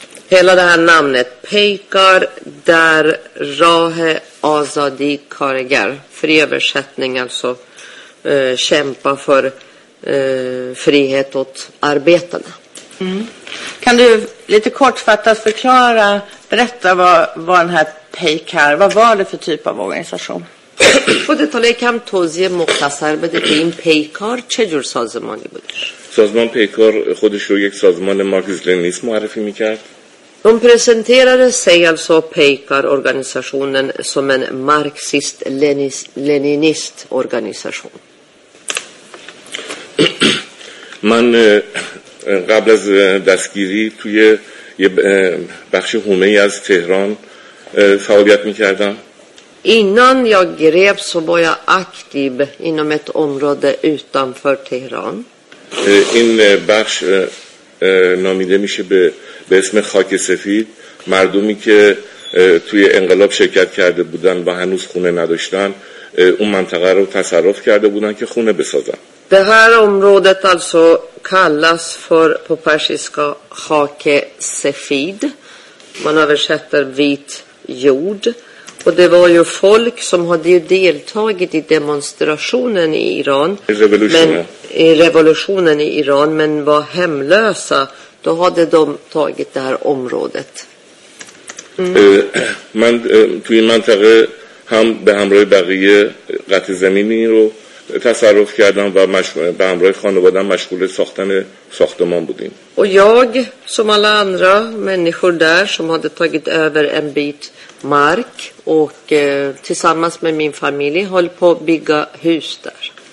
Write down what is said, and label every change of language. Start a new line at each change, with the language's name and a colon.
Swedish: Hela det här namnet PEKAR
Persian: در راه آزادی کارگر.
Swedish: Fri översättning alltså kämpa för frihet åt arbetarna. Mm. Kan du lite kortfattat förklara, berätta vad den här PEKAR, vad var det för typ av organisation? För det talar jag kan
Persian: توضیح مختصر بده که این PEKAR چه جور سازمانی بود. سازمان PEKAR خودش رو یک سازمان مارکسیست معرفی می‌کرد.
Swedish: De presenterade sig alltså PEKAR organisationen som en marxist-leninist organisation.
Persian: من قبل از دستگیری توی یه بخش حومه از تهران فعالیت میکردم.
Swedish: Innan jag greps så var jag aktiv inom ett område utanför Teheran.
Persian: این بخش نامیده میشه به اسم خاک سفید، مردمی که توی انقلاب شرکت کرده بودن و هنوز خونه نداشتن اون منطقه رو تصرف کرده بودن که خونه بسازن.
Swedish: Det här området alltså kallas för på persiska khake sefid. Man översätter vit jord. Och det var ju folk som hade ju deltagit i demonstrationen i Iran. I revolutionen i Iran, men var hemlösa. Då hade de tagit det här området. Men tog in mantare han behamrade bergje gatizemini
Persian: och تصرف کردم و به همراه خانوادم مشغول ساختن ساختمان بودیم.
Swedish: و jag som alla andra människor där som hade tagit över en bit mark och tillsammans med min familj höll på att bygga hus där.